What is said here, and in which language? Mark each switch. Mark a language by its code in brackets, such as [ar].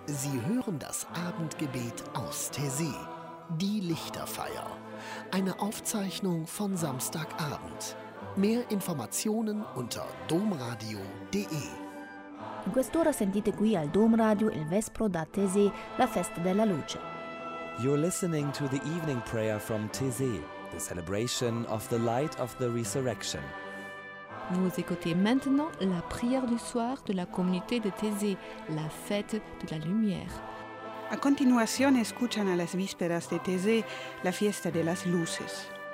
[de] Sie hören das Abendgebet aus Taizé. Die Lichterfeier. Eine Aufzeichnung von Samstagabend. Mehr Informationen unter domradio.de. [it] In quest'ora sentite qui al Domradio il Vespro da Taizé, la Festa della Luce. [en] You're listening to the evening prayer from Taizé, the celebration of the light of the resurrection. [fr] Vous écoutez maintenant la prière du soir de la communauté de Taizé, la fête de la lumière. [es] A continuación, escuchan a las vísperas de Taizé, la fiesta de las luces.